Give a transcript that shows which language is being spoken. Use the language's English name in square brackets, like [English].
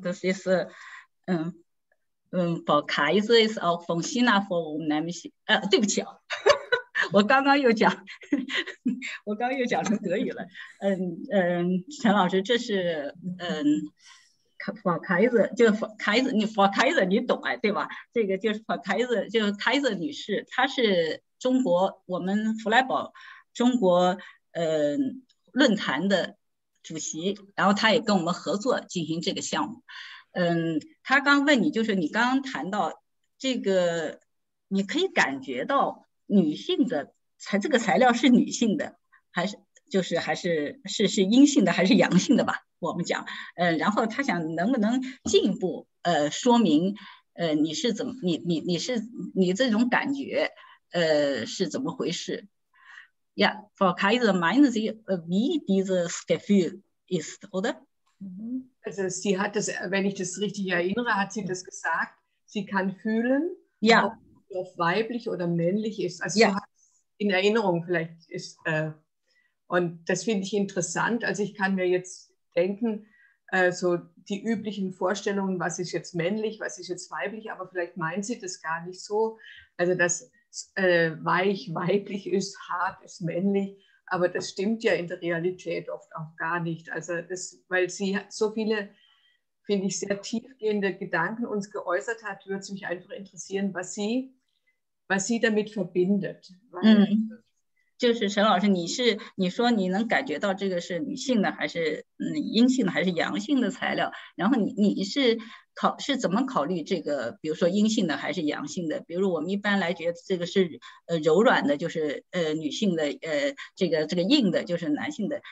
[German] Das ist Frau Kaiser ist auch vom China Forum, nämlich, Frau Kaiser, 就 Kaiser， 你 Frau Kaiser， [Chinese] 你懂哎，对吧？这个就是 Frau Kaiser， 就是 Kaiser 女士，她是中国我们弗莱堡中国论坛的主席，然后她也跟我们合作进行这个项目。她刚问你，就是你刚刚谈到这个，你可以感觉到女性的材，这个材料是女性的，还是就是还是是阴性的还是阳性的吧？我们讲，然后他想能不能进一步，说明，你是怎么，你是你这种感觉，是怎么回事 ？ [German] Yeah, Frau Kaiser, meinen Sie, wie dieses Gefühl ist, oder? Also, sie hat das, wenn ich das richtig erinnere, hat sie das gesagt. Sie kann fühlen, ja, ob weiblich oder männlich ist. Also, ja, hat in Erinnerung vielleicht ist. Und das finde ich interessant. Also, ich kann mir jetzt denken, so die üblichen Vorstellungen, was ist jetzt männlich, was ist jetzt weiblich, aber vielleicht meint sie das gar nicht so, also dass weich weiblich ist, hart ist männlich, aber das stimmt ja in der Realität oft auch gar nicht, also das, weil sie so viele, finde ich, sehr tiefgehende Gedanken uns geäußert hat, würde es mich einfach interessieren, was sie damit verbindet. Weil, mm-hmm. [Chinese] 就是陈老师，你是你说你能感觉到这个是女性的还是阴性的还是阳性的材料？然后你是考是怎么考虑这个？比如说阴性的还是阳性的？比如我们一般来觉得这个是柔软的，就是女性的这个硬的，就是男性的。